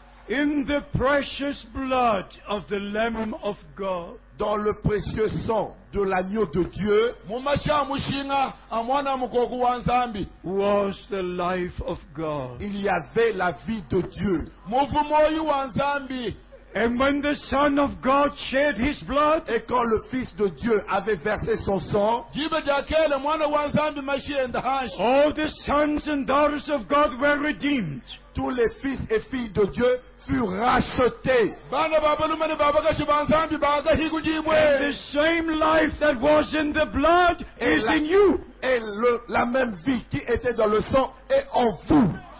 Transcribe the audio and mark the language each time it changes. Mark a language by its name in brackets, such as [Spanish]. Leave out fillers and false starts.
[English] In the precious blood of the Lamb of God. [French] Dans le précieux sang de l'agneau de Dieu, [English] was the life of God. [French] Il y avait la vie de Dieu. [English] And when the Son of God shed his blood, [French] et quand le Fils de Dieu avait versé son sang, [English] all the sons and daughters of God were redeemed. [French] Tous les fils et filles de Dieu furent rachetés. [English] And the same life that was in the blood is in you. [French] Et la même vie qui était dans le sang est en vous.